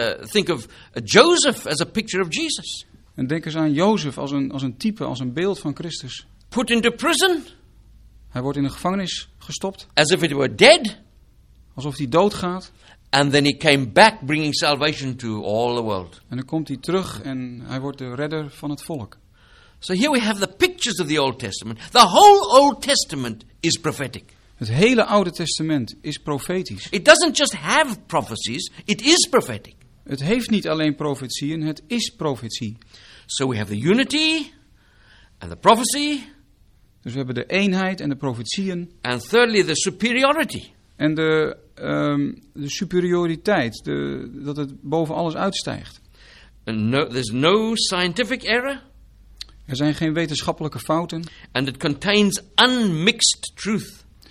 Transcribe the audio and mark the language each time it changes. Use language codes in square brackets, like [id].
[en] Think of Joseph as a picture of Jesus. [nl] En denk eens aan Jozef als een type, als een beeld van Christus. [en] Put into prison. [nl] Hij wordt in de gevangenis gestopt. [en] As if it were dead. [nl] Alsof hij doodgaat. [en] And then he came back bringing salvation to all the world. [nl] En dan komt hij terug en hij wordt de redder van het volk. [en] So here we have the pictures of the Old Testament. The whole Old Testament is prophetic. [nl] Het hele Oude Testament is profetisch. [en] It doesn't just have prophecies, it is prophetic. [nl] Het heeft niet alleen profetieën, het is profetie. [en] So we have the unity and the prophecy. [nl] Dus we hebben de eenheid en de profetieën. [en] And thirdly the superiority. [nl] En de superioriteit, dat het boven alles uitstijgt. [en] There's no scientific error. [nl] Er zijn geen wetenschappelijke fouten. [en] And it contains unmixed truth.